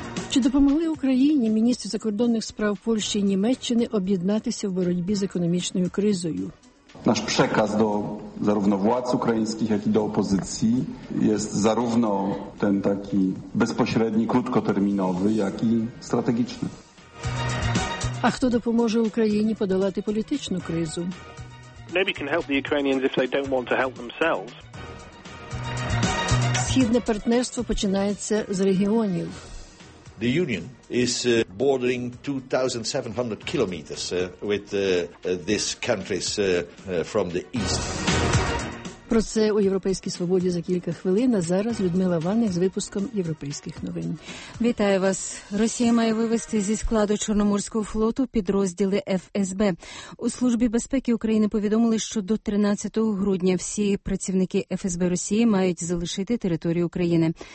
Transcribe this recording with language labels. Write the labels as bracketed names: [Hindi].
[Ukrainian] Чи допомогли Україні міністри закордонних справ Польщі і Німеччини об'єднатися в боротьбі з економічною кризою? Наш переказ до зарівно влад українських, як і до опозиції, є зарівно той такий безпосередній, короткотерміновий, як і стратегічний. А хто допоможе Україні подолати політичну кризу? [English] Maybe can help the Ukrainians if they don't want to help themselves. [Ukrainian] Східне партнерство починається з регіонів. [English] The Union is bordering 2,700 kilometers with these countries from the east. [Ukrainian] Про це у «Європейській свободі» за кілька хвилин, а зараз Людмила Ванник з випуском «Європейських новин». Вітаю вас. Росія має вивести зі складу Чорноморського флоту підрозділи ФСБ. У Службі безпеки України повідомили, що до 13 грудня всі працівники ФСБ Росії мають залишити територію України.